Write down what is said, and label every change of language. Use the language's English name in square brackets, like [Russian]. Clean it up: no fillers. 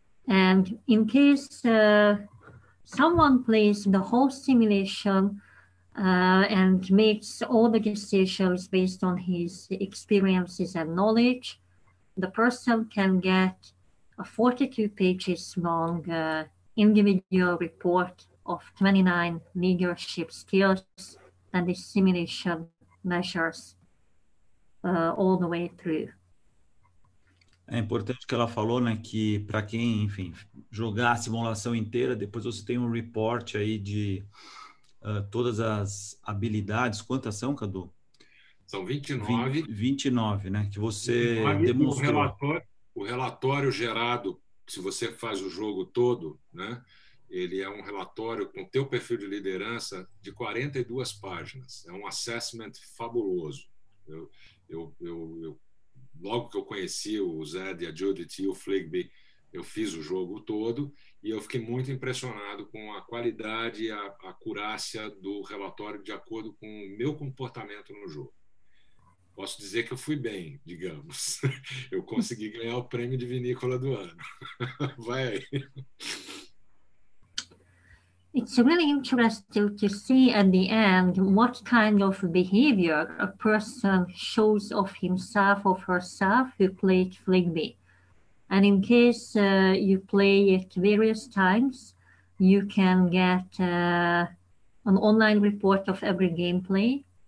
[English] And in case someone plays the whole simulation and makes all the decisions based on his experiences and knowledge, the person can get a 42 pages long individual report of 29 leadership skills that the simulation measures all the way through. [Portuguese] É importante que ela falou, né, que para quem, enfim, jogar a simulação inteira, depois você tem um report aí de todas as habilidades. Quantas são, Cadu? São 29. 29, né? Que você demonstrou. O relatório gerado, se você faz o jogo todo, né? Ele é um relatório com teu perfil de liderança de 42 páginas. É um assessment fabuloso. Eu logo que eu conheci o Zed, a Judith e o Fligby, eu fiz o jogo todo e eu fiquei muito impressionado com a qualidade e a acurácia do relatório de acordo com o meu comportamento no jogo. Posso dizer que eu fui bem, digamos. Eu consegui ganhar o prêmio de vinícola do ano. Vai aí. [English] It's really interesting to see at the end what kind of behavior a person shows of himself or herself who played Fligby. And in case you play it various times, you can get an online report of every gameplay.